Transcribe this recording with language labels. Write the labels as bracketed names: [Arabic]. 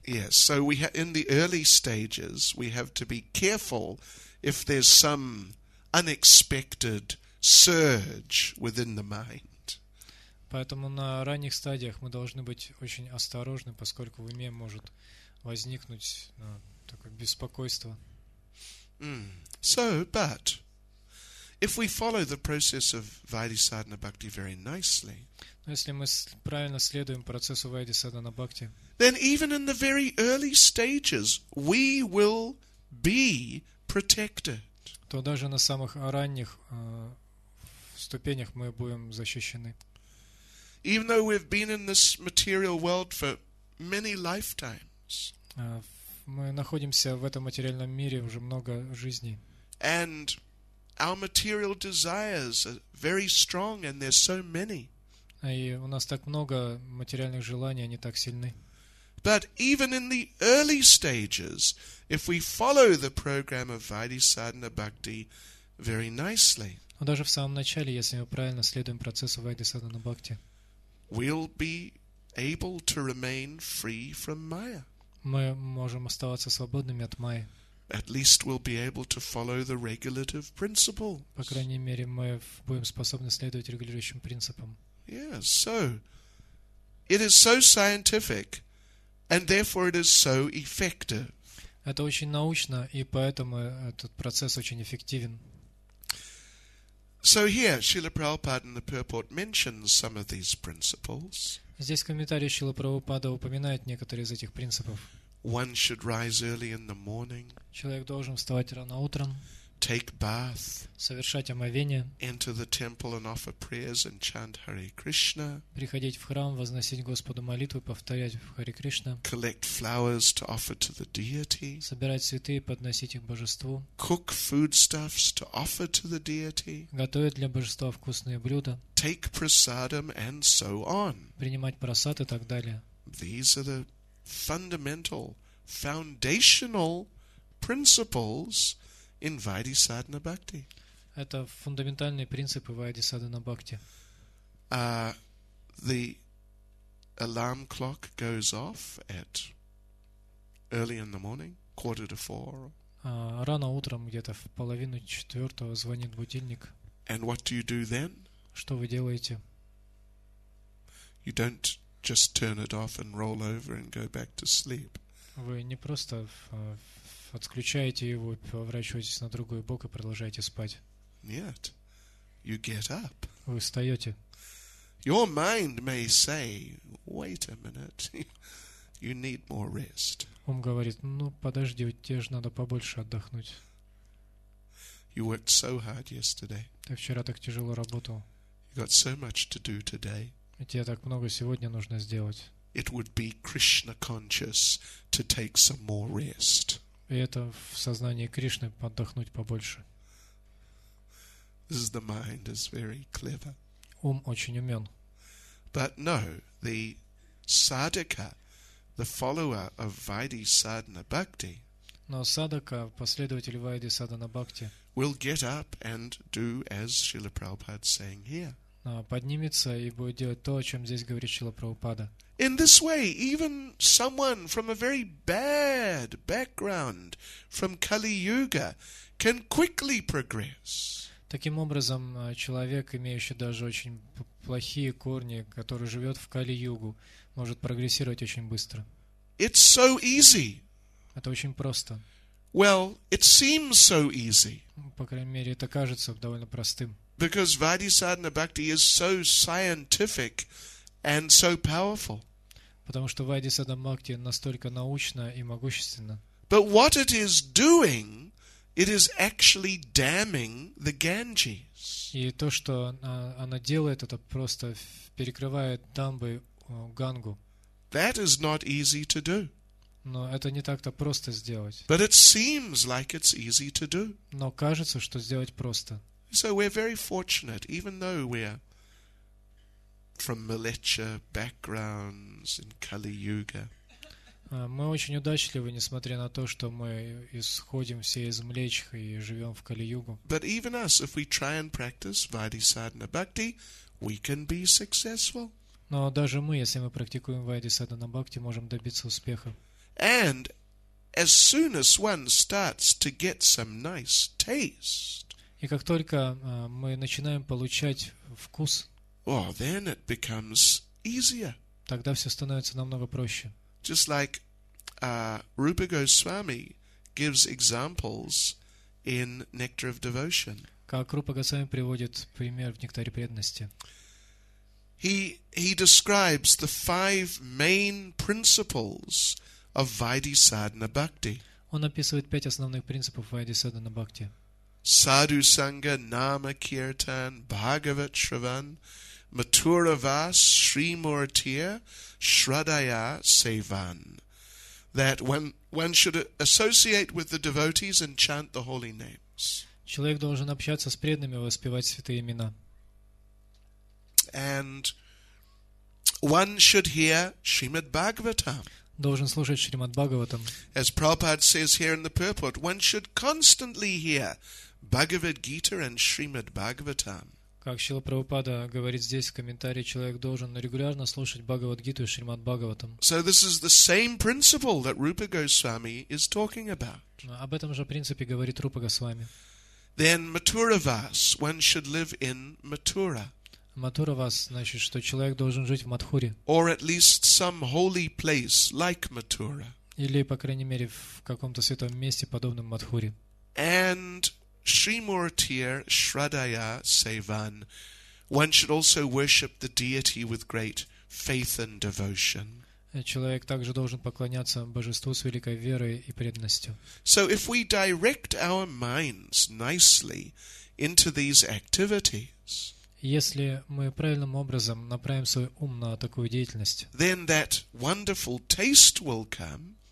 [English] So we in the early stages we have to be careful if there's some unexpected surge within the mind. [Russian] Поэтому на ранних стадиях мы должны быть очень осторожны, поскольку в уме может возникнуть такое беспокойство. [English] So, but if we follow the process of Vaidhisadhana Bhakti very nicely. [Russian] Но если мы правильно следуем процессу Вайдисадхана Бхакти, [English] then even in the very early stages we will be protected. [Russian] То даже на самых ранних ступенях мы будем защищены. [English] Even though we've been in this material world for many lifetimes. [Russian] Мы находимся в этом материальном мире уже много жизней. [English] And our material desires are very strong, and there's so many. [Russian] И у нас так много материальных желаний, они так сильны. [English] But even in the early stages, if we follow the program of Vaidhisadhana Bhakti very nicely, [Russian] но даже в самом начале, если мы правильно следуем процессу Вайдисадхана Бхакти, [English] we'll be able to remain free from Maya. [Russian] мы можем оставаться свободными от Майи. [English] At least we'll be able to follow the regulative principle. [Russian] По крайней мере, мы будем способны следовать регулирующим принципам. [English] Yeah, so it is so scientific, and therefore it is so effective. [Russian] Это очень научно, и поэтому этот процесс очень эффективен. [English] So here, Srila Prabhupada in the purport mentions some of these principles. [Russian] Здесь в комментарии Шрила Прабхупада упоминает некоторые из этих принципов. [English] One should rise early in the morning. [Russian] Человек должен вставать рано утром. [English] Take bath. [Russian] Совершать омовение. [English] Enter the temple and offer prayers and chant Hare Krishna. [Russian] Приходить в храм, возносить Господу молитвы, повторять Харе Кришна. [English] Collect flowers to offer to the deity. [Russian] Собирать цветы и подносить их божеству. [English] Cook foodstuffs to offer to the deity. [Russian] Готовить для божества вкусные блюда. [English] Take prasadam and so on. [Russian] Принимать прасад и так далее. [English] These are the fundamental, foundational principles in Vaidhi Sadhana Bhakti. [Russian] Это фундаментальные принципы Вайди Садхана Бхакти. [English] The alarm clock goes off at early in the morning, quarter to four. [Russian] Рано утром, где-то в половину четвертого, звонит будильник. [English] And what do you do then? [Russian] Что вы делаете? [English] You don't just turn it off and roll over and go back to sleep. [Russian] Вы не просто отключаете его, поворачиваетесь на другой бок и продолжаете спать. Нет. [English] You get up. [Russian] Вы встаете. [English] Your mind may say, wait a minute, you need more rest. [Russian] Ум говорит, ну подожди, тебе же надо побольше отдохнуть. [English] You worked so hard yesterday. [Russian] Ты вчера так тяжело работал. [English] You got so much to do today. [Russian] И тебе так много сегодня нужно сделать. [English] It would be Krishna conscious to take some more rest. [Russian] И это в сознании Кришны отдохнуть побольше. [English] This is the mind is very clever. [Russian] Ум очень умен. [English] But no, the sadhaka, the follower of Vaidhi Sadhana Bhakti, [Russian] но садхака, последователь Вайди Садхана Бхакти, [English] will get up and do as Srila Prabhupada is saying here. [Russian] Поднимется и будет делать то, о чем здесь говорит Шрила Прабхупада. [English] In this way, even someone from a very bad background, from Kali-Yuga, can quickly progress. [Russian] Таким образом, человек, имеющий даже очень плохие корни, который живет в Кали-Югу, может прогрессировать очень быстро. [English] It's so easy. [Russian] Это очень просто. [English] Well, it seems so easy. [Russian] По крайней мере, это кажется довольно простым. [English] Because Vaidhi Sadhana Bhakti is so scientific and so powerful. [Russian] Потому что Вайди Садхана Бхакти настолько научна и могущественна. [English] But what it is doing, it is actually damming the Ganges. [Russian] И то, что она делает, это просто перекрывает дамбы Гангу. [English] That is not easy to do. [Russian] Но это не так-то просто сделать. [English] But it seems like it's easy to do. [Russian] Но кажется, что сделать просто. [English] So we're very fortunate, even though we're from Malecha backgrounds in Kali Yuga. [Russian] Мы очень удачливы, несмотря на то, что мы исходим все из Млечх и живем в Кали Югу. [English] But even us, if we try and practice Vaidhi Sadhana Bhakti, we can be successful. [Russian] Но даже мы, если мы практикуем Вайди Садхана Бхакти, можем добиться успеха. [English] And as soon as one starts to get some nice taste. [Russian] И как только мы начинаем получать вкус, [English] oh, then it becomes easier. [Russian] Тогда все становится намного проще. [English] Just like Rupa Goswami gives examples in Nectar of Devotion. [Russian] Как Рупа Госвами приводит пример в Нектаре преданности. [English] He describes the five main principles of Vaidhi Sadhana Bhakti. [Russian] Он описывает пять основных принципов Вайди Садхана Бхакти. [Sanskrit] Sadhu Sangha, Nama Kirtan, Bhagavat Shravan, Mathura Vas, Sri Murtir, Shraddaya Sevan. [English] That one should associate with the devotees and chant the holy names. [Russian] Человек должен общаться с преданными и воспевать святые имена. [English] And one should hear Srimad Bhagavatam. [Russian] Должен слушать Шримад Бхагаватам. [English] As Prabhupada says here in the purport, one should constantly hear Bhagavad Gita and Srimad Bhagavatam. [Russian] Как Шрила Прабхупада говорит здесь в комментарии, человек должен регулярно слушать Бхагавад-гиту и Шримад Бхагаватам. [English] So this is the same principle that Rupa Goswami is talking about. [Russian] Об этом же принципе говорит Рупа Госвами. [English] Then Mathuravas, one should live in Mathura. [Russian] Mathuravas, значит, что человек должен жить в Матхуре. [English] Or at least some holy place like Mathura. [Russian] Или, по крайней мере, в каком-то святом месте, подобном Матхуре. [English] And Shrimurtir Shraddaya Sevan, one should also worship the deity with great faith and devotion. [Russian] Человек также должен поклоняться божеству с великой верой и преданностью. [English] So if we direct our minds nicely into these activities, [Russian] если мы правильным образом направим свой ум на такую деятельность, [English] then that wonderful taste will come,